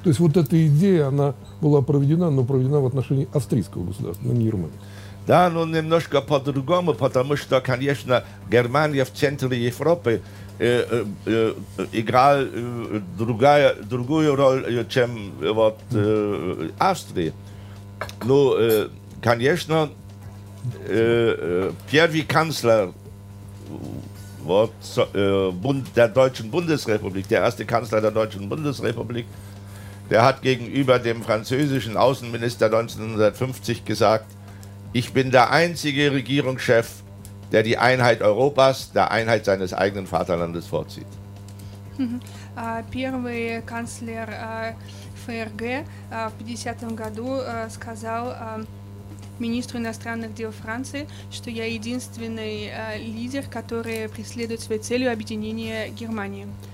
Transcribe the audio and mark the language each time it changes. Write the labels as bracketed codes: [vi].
[ru] То есть вот эта идея, она была проведена, но проведена в отношении австрийского государства, но не Германии. Да, но немножко по-другому, потому что, конечно, Германия в центре Европы играл другую роль, чем вот Австрия. Ну, конечно, первый канцлер вот, [de] der Deutschen Bundesrepublik, der erste Kanzler der Deutschen Bundesrepublik, der hat gegenüber dem französischen Außenminister 1950 gesagt, ich bin der einzige Regierungschef, der die Einheit Europas, der Einheit seines eigenen Vaterlandes vorzieht. [ru] Первый канцлер ФРГ в 50-м году сказал министру иностранных дел Франции, что я единственный лидер, который преследует своей целью объединение Германии.